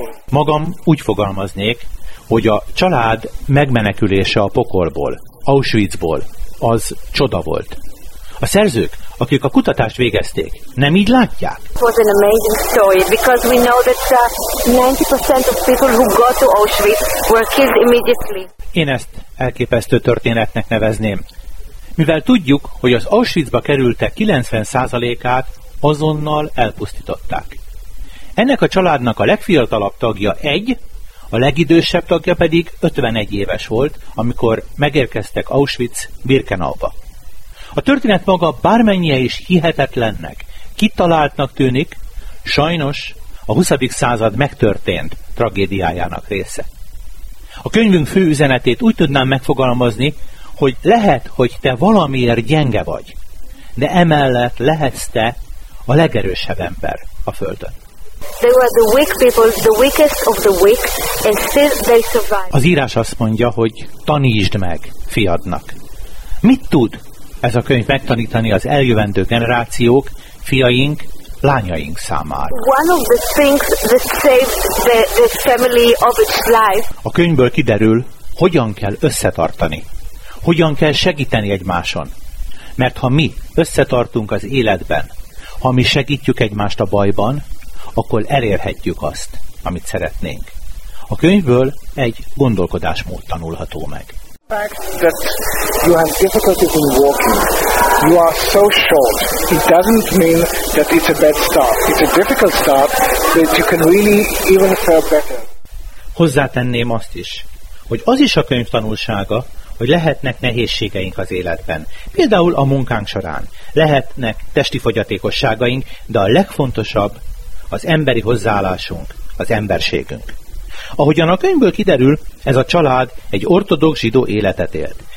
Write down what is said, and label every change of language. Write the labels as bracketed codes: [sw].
[hu] Magam úgy fogalmaznék, hogy a család megmenekülése a pokolból, Auschwitzból, az csoda volt. A szerzők, akik a kutatást végezték, nem így látják? [en] It was an amazing story because we know that 90% of people who go to Auschwitz were killed immediately. [hu] Én ezt elképesztő történetnek nevezném. Mivel tudjuk, hogy az Auschwitzba kerültek 90%-át azonnal elpusztították. Ennek a családnak a legfiatalabb tagja egy, a legidősebb tagja pedig 51 éves volt, amikor megérkeztek Auschwitz-Birkenauba. A történet maga bármennyire is hihetetlennek, kitaláltnak tűnik, sajnos a 20. század megtörtént tragédiájának része. A könyvünk fő üzenetét úgy tudnám megfogalmazni, hogy lehet, hogy te valamiért gyenge vagy, de emellett lehetsz te a legerősebb ember a Földön. [en] They were the weak people, the weakest of the weak, and still they survived. [hu] Az írás azt mondja, hogy tanítsd meg fiadnak. Mit tud ez a könyv megtanítani az eljövendő generációk, fiaink, lányaink számára? [en] One of the things that saved the family of its life. [hu] A könyvből kiderül, hogyan kell összetartani, hogyan kell segíteni egymáson. Mert ha mi összetartunk az életben, ha mi segítjük egymást a bajban, akkor elérhetjük azt, amit szeretnénk. A könyvből egy gondolkodásmód tanulható meg. [en] That you have difficulty in walking. You are so short. It doesn't mean that it's a bad start. It's a difficult start, but you can really even feel better. [hu] Hozzátenném azt is, hogy az is a könyv tanulsága, hogy lehetnek nehézségeink az életben. Például a munkánk során lehetnek testi fogyatékosságaink, de a legfontosabb az emberi hozzáállásunk, az emberségünk. Ahogyan a könyvből kiderül, ez a család egy ortodox zsidó életet élt.